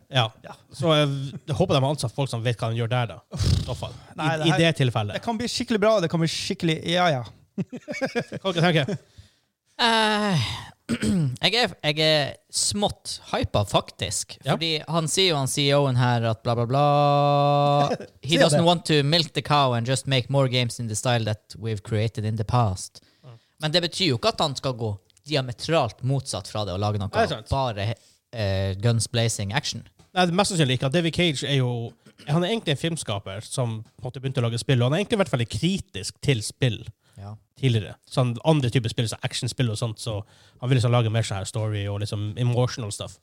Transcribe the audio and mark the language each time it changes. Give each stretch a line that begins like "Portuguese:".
Norwegian: Ja. Ja. Så jeg håper de har ansatt folk som vet hva de gjør der da. Uff, nei, I det tilfellet. Det kan bli skikkelig bra, det kan bli skikkelig... Ja, ja. Hva kan du tenke? Jeg er smått hypet faktisk. Ja. Fordi han sier jo, han CEOen her, at bla bla bla...
English: He doesn't want to milk the cow and just make more games in the style that we've created in the past.
Norwegian: Men det betyr jo ikke at han skal gå diametralt motsatt fra det og lage noe bare...
English: guns blazing action.
Norwegian: Nei, det mest sannsynlig ikke at David Cage er jo han er egentlig en filmskaper som på en måte begynte å lage spill, og han har egentlig vært veldig kritisk til spill ja. Tidligere sånn andre typer spill, så actionspill og sånt, så han vil liksom lage mer sånn story og liksom
English: emotional stuff.